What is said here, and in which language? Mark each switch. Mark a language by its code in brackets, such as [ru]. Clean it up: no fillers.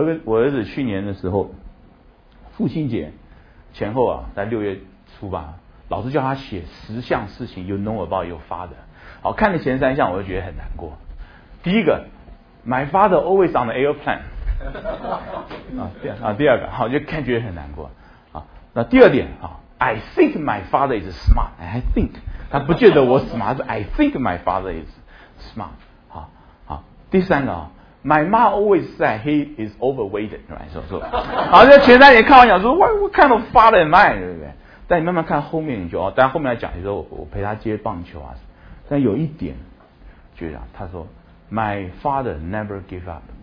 [zh] 我儿子去年的时候，父亲节前后啊，在六月初吧，老师叫他写十项事情 ， [en] you know about your father。 [zh] 好，看了前三项，我就觉得很难过。第一个 ， [en] my father always on the airplane [zh] 第二个，好，就感觉很难过。那第二点啊 [en] ，I think my father is smart，I think。 [zh] 他不觉得我 smart， [en] I think my father is smart。 [zh] 第三个 [en] My mom always said he is overweighted， right？ [zh] 说好，就前三年看完讲说 [en] What kind of father am I， [zh] 对不对？但你慢慢看后面，你就当然后面来讲，你说 我陪他接棒球啊，但有一点就讲，他说 [en] My father never give up。